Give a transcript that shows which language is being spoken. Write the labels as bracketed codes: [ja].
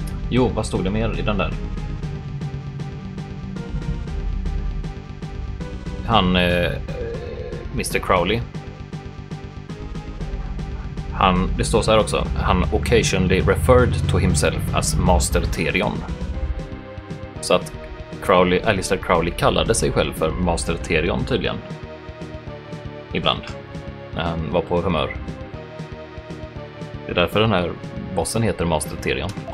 [sv] Jo, vad stod det mer i den där? Han, Mr. Crowley. Han, det står så här också. Han [en] occasionally referred to himself as Master Therion. [sv] Så att Crowley, Aleister Crowley kallade sig själv för Master Therion tydligen. Ibland. När han var på humör. Det är därför den här bossen heter Master Therion.